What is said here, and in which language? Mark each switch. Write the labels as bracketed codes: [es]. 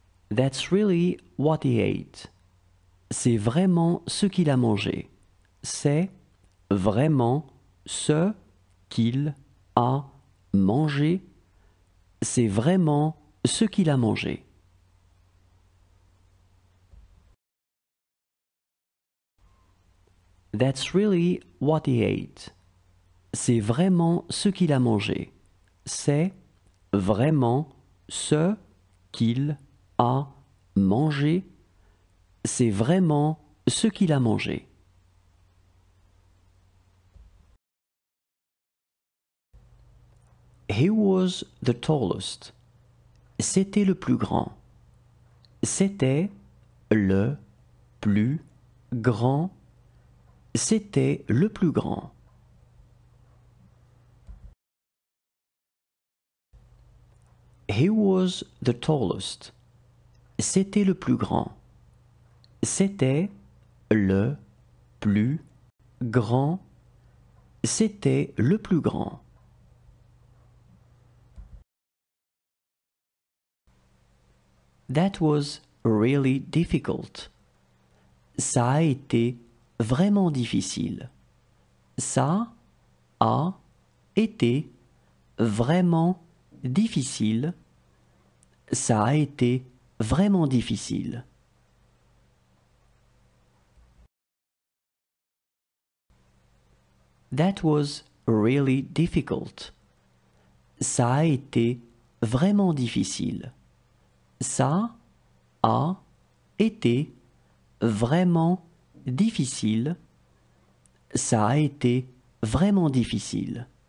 [en] That's really what he ate. [fr] C'est vraiment ce qu'il a mangé. C'est vraiment ce qu'il a mangé. C'est vraiment ce qu'il a mangé. [en] That's really what he ate. [fr] C'est vraiment ce qu'il a mangé. C'est vraiment ce qu'il a mangé. C'est vraiment ce qu'il a mangé. [en] He was the tallest. [fr] C'était le plus grand. C'était le plus grand. C'était le plus grand. [en] He was the tallest. [fr] C'était le plus grand. C'était le plus grand. C'était le plus grand. [en] That was really difficult. [fr] Ça a été vraiment difficile. Ça a été vraiment difficile. Ça a été vraiment difficile. [en] That was really difficult. [fr] Ça a été vraiment difficile. Ça a été vraiment difficile. Ça a été vraiment difficile.